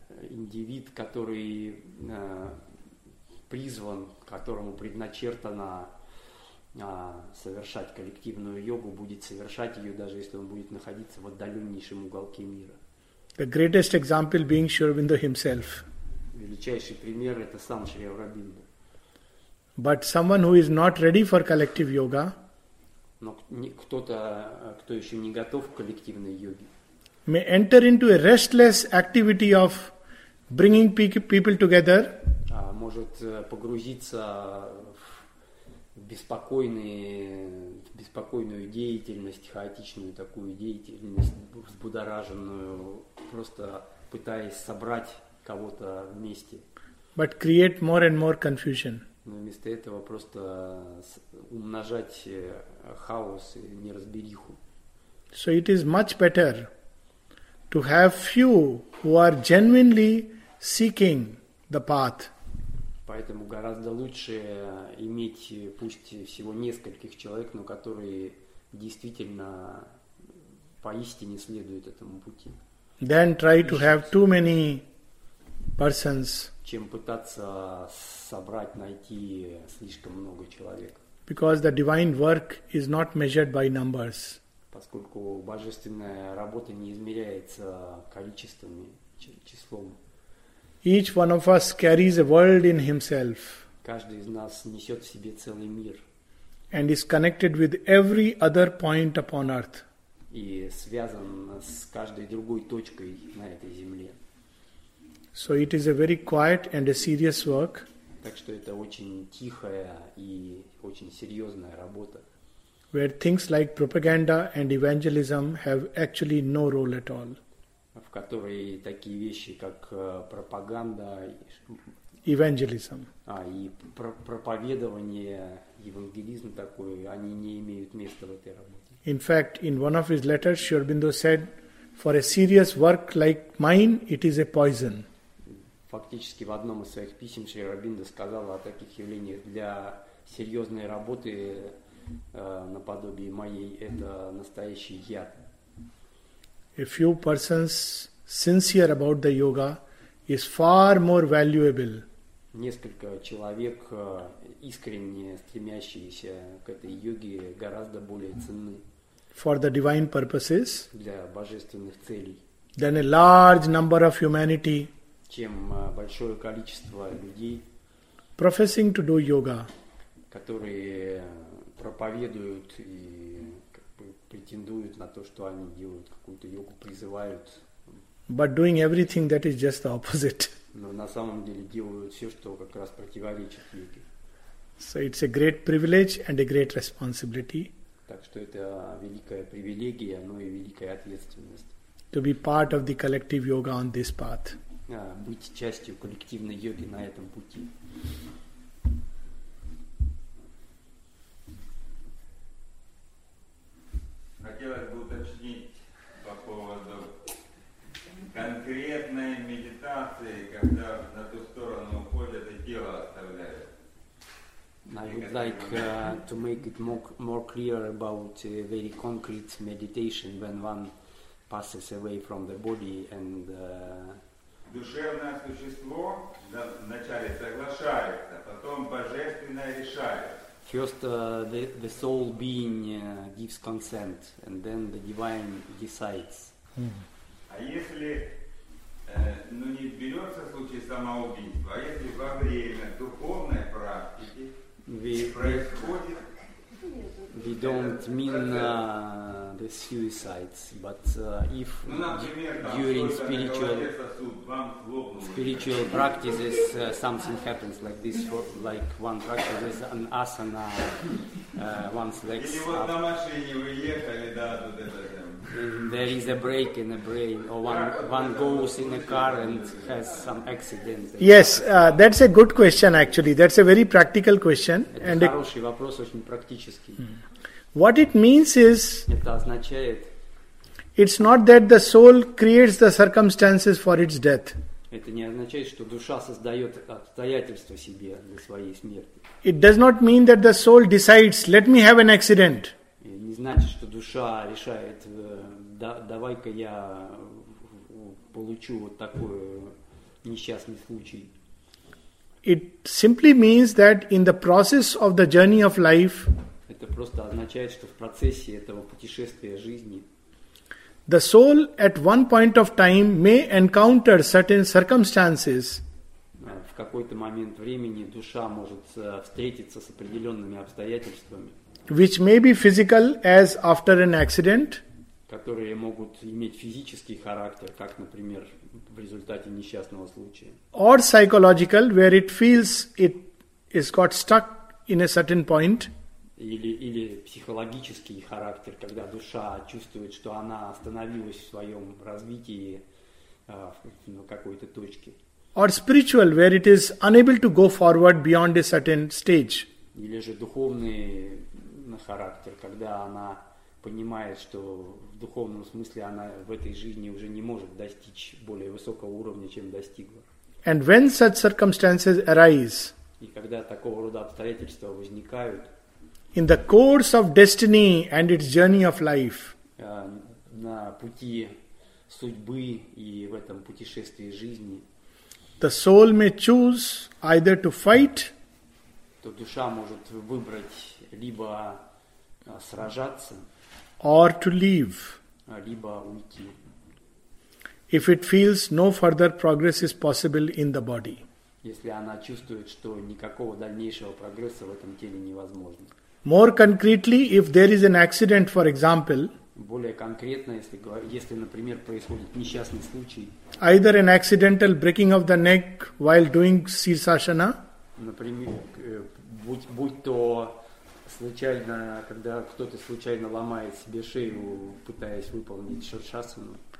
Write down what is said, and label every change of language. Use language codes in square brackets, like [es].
[ru] Индивид, который призван, которому предначертано совершать коллективную йогу, будет совершать ее, даже если он будет находиться в отдаленнейшем уголке мира. [en] The greatest example being Sri Aurobindo himself. [ru] Величайший пример это сам Шри Аурабиндо. [en] But someone who is not ready for collective yoga. [ru] Но кто-то, кто еще не готов к коллективной йоге. [en] May enter into a restless activity of bringing people together. [ru] Может погрузиться в беспокойную деятельность, хаотичную такую деятельность, взбудораженную, просто пытаясь собрать кого-то вместе. [en] But create more and more confusion. [ru] Но вместо этого просто умножать хаос и неразбериху. [en] So it is much better to have few who are genuinely seeking the path. [ru] Поэтому гораздо лучше иметь пусть всего нескольких человек, но которые действительно поистине следуют этому пути. [en] Then try to have too many persons, [ru] чем пытаться собрать, найти слишком много человек. [en] Because the divine work is not measured by numbers. [ru] Поскольку божественная работа не измеряется количествами, числом. [en] Each one of us carries a world in himself. [ru] Каждый из нас несет в себе целый мир. [en] And is connected with every other point upon earth. [ru] И связан с каждой другой точкой на этой земле. [en] So it is a very quiet and a serious work. [ru] Так что это очень тихая и очень серьезная работа. [en] Where things like propaganda and evangelism have actually no role at all. [ru] В которой такие вещи, как пропаганда, [en] evangelism. [ru] И проповедование, евангелизм такой, они не имеют места в этой работе. [en] In fact, in one of his letters, Sri Aurobindo said, for a serious work like mine, it is a poison. [ru] Фактически в одном из своих писем Шри Аурбиндо сказал о таких явлениях: для серьезной работы наподобие моей это настоящий яд. [en] A few persons sincere about the yoga is far more valuable. [ru] Несколько человек, искренне стремящиеся к этой йоге, гораздо более ценны. [en] For the divine purposes. [ru] Для божественных целей. [en] Than a large number of humanity. [ru] Чем большое количество людей. [en] Professing to do yoga. [ru] Которые проповедуют и претендуют на то, что они делают какую-то йогу, призывают. [en] But doing everything that is just the opposite. [ru] Но на самом деле делают все, что как раз противоречит йоге. [en] So it's a great privilege and a great responsibility. [ru] Так что это великая привилегия, но и великая ответственность. [en] To be part of the collective yoga on this path. [ru] Быть частью коллективной йоги на этом пути. Хотелось бы уточнить по поводу конкретной медитации, когда на ту сторону уходят и тело оставляют. [en] I would like to make it more clear about very concrete meditation when one passes away from the body and [ru] душевное существо вначале соглашается, потом божественное решает. [en] First the soul being gives consent and then the divine decides. [ru] А если ну не берется в случае самоубийства, а если во время духовной практики происходит. [en] We don't mean the suicides, but if during spiritual practices something happens like this, like one practices an asana, one's legs up, there is a break in the brain, or one goes in a car and has some accident. Yes, that's a good question actually. That's a very practical question. And a [ru] хороший вопрос, очень практический. [en] What it means is, [ru] это означает, [en] it's not that the soul creates the circumstances for its death. [ru] Это не означает, что душа создает обстоятельства себе для своей смерти. [en] It does not mean that the soul decides, let me have an accident. [ru] Это не значит, что душа решает, давай-ка я получу вот такой несчастный случай. [en] It simply means that in the process of the journey of life, [ru] это просто означает, что в процессе этого путешествия жизни [en] the soul at one point of time may encounter certain circumstances. [ru] В какой-то момент времени душа может встретиться с определенными обстоятельствами, [en] which may be physical as after an accident, [ru] которые могут иметь физический характер, как, например, в результате несчастного случая, [en] or psychological, where it feels it is got stuck in a certain point. [ru] Или психологический характер, когда душа чувствует, что она остановилась в своем развитии на какой-то точке. [en] Or spiritual, where it is unable to go forward beyond a certain stage. [ru] Или же духовный характер, когда она понимает, что в духовном смысле она в этой жизни уже не может достичь более высокого уровня, чем достигла. [en] And when such circumstances arise, [ru] и когда такого рода обстоятельства возникают, [en] in the course of destiny and its journey of life, [ru] на пути судьбы и в этом путешествии жизни, [en] The soul may choose either to fight, [ru] то душа может выбрать либо сражаться, [en] or to leave, [ru] либо уйти. [en] If it feels no further progress is possible in the body. [ru] Если она чувствует, что никакого дальнейшего прогресса в этом теле невозможно. [en] More concretely, if there is an accident, for example, [ru] более конкретно, если, например, происходит несчастный случай, [en] either an accidental breaking of the neck while doing sirsasana, [ru] например, будь то случайно, когда кто-то случайно ломает себе шею, пытаясь выполнить сирсасану,